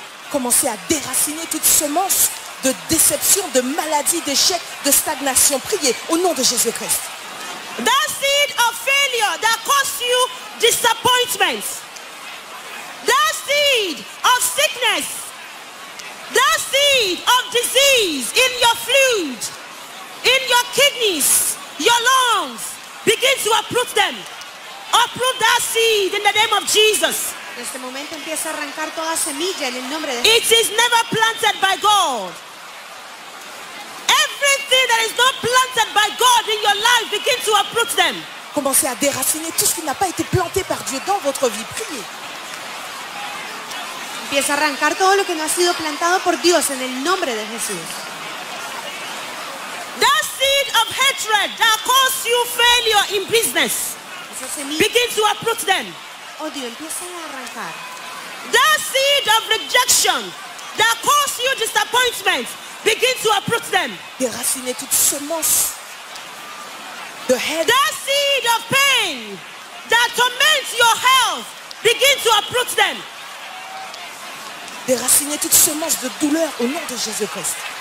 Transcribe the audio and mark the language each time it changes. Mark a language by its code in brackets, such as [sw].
[fr] Commencez à déraciner toute semence de déception, de maladie, d'échec, de stagnation. Priez au nom de Jésus Christ. [en] That seed of failure that caused you disappointment. That seed of sickness. That seed of disease in your fluid, in your kidneys, your lungs. Begin to uproot them. Uproot that seed in the name of Jesus. [es] En este momento empieza a arrancar toda semilla en el nombre de. [en] It is never planted by God. Everything that is not planted by God in your life, begin to uproot them. [fr] Commencez à déraciner tout ce qui n'a pas été planté par Dieu dans votre vie. Priez. [es] Empieza a arrancar todo lo que no ha sido plantado por Dios en el nombre de Jesús. [en] That seed of hatred that caused you failure in business, begin to uproot them. [es] Odio, empieza a arrancar. [en] That seed of rejection that caused you disappointment, begin to uproot them. [fr] Déraciner toute semence de haine. [en] That seed of pain that torments your health, begin to uproot them. [fr] Déraciner toute semence de douleur au nom de Jésus-Christ.